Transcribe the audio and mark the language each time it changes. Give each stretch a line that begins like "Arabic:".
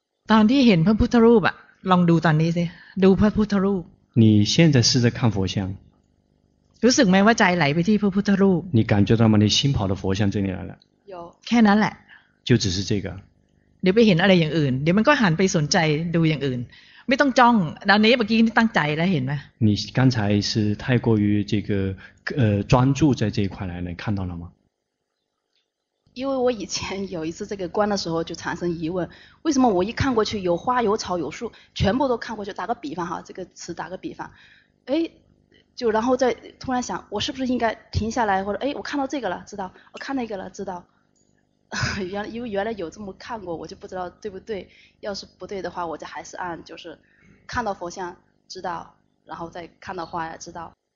Thai: ตอนที่เห็นพระพุทธรูปอะลองดูตอนนี้สิดูพระพุทธรูป
Chinese: 你现在试着看佛像
Thai: รู้สึกไหมว่าใจไหลไปที่พระพุทธรูป
Chinese: 你感觉到吗你心跑到佛像这里来了有
Thai: แค่นั้นแหละ
Chinese: 就只是这个
Thai: เดี๋ยวไปเห็นอะไรอย่างอื่นเดี๋ยวมันก็หันไปสนใจดูอย่างอื่นไม่ต้องจ้องตอนนี้เมื่อกี้ตั้งใจแล้วเห็นไหม
Chinese: 你刚才是太过于这个专注在这一块来了看到了吗因为我以前有一次这个观的时候就产生疑问为什么我一看过去有花有草有树全部都看过去打个比方哈这个词打个比方哎就然后再突然想我是不是应该停下来或者哎我看到这个了知道我看那个了知道因为原来有这么看过我就不知道对不对要是不对的话我就还是按就是看到佛像知道然后再看到花知道